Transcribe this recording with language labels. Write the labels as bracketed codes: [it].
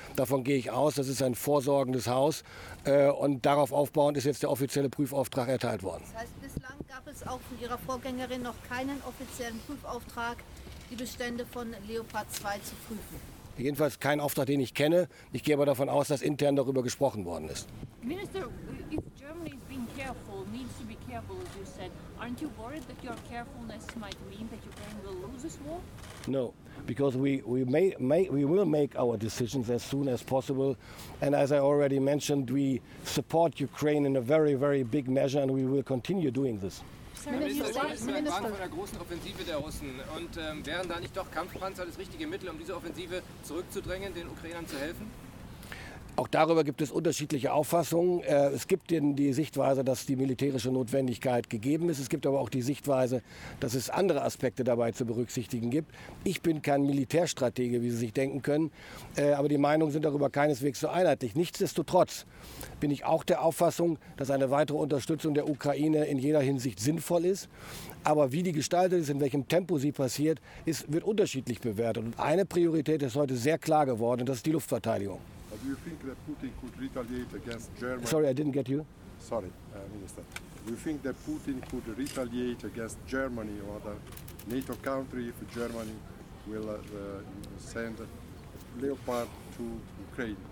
[de] Davon gehe ich aus, das ist ein vorsorgendes Haus. Und darauf aufbauend ist jetzt der offizielle Prüfauftrag erteilt worden. Das heißt, bislang gab es auch von Ihrer Vorgängerin noch keinen offiziellen Prüfauftrag, die Bestände von Leopard 2 zu prüfen? Jedenfalls kein Auftrag, den ich kenne. Ich gehe aber davon aus, dass intern darüber gesprochen worden ist. [en] Minister, if Germany is being careful, needs to be careful, as you said, aren't you worried that your carefulness might mean that Ukraine will lose this war? No, because we will make our decisions as soon as possible. And as I already mentioned, we support Ukraine in a very, very big measure and we will continue doing this. [de] Minister, wir sind von der großen Offensive der Russen und wären da nicht doch Kampfpanzer das richtige Mittel, um diese Offensive zurückzudrängen, den Ukrainern zu helfen? Auch darüber gibt es unterschiedliche Auffassungen. Es gibt die Sichtweise, dass die militärische Notwendigkeit gegeben ist. Es gibt aber auch die Sichtweise, dass es andere Aspekte dabei zu berücksichtigen gibt. Ich bin kein Militärstratege, wie Sie sich denken können. Aber die Meinungen sind darüber keineswegs so einheitlich. Nichtsdestotrotz bin ich auch der Auffassung, dass eine weitere Unterstützung der Ukraine in jeder Hinsicht sinnvoll ist. Aber wie die gestaltet ist, in welchem Tempo sie passiert, wird unterschiedlich bewertet. Und eine Priorität ist heute sehr klar geworden, das ist die Luftverteidigung. [en] Do you think that Putin could retaliate against Germany? Sorry, I didn't get you. Sorry, Minister. Do you think that Putin could retaliate against Germany or the NATO country if Germany will send Leopard to Ukraine?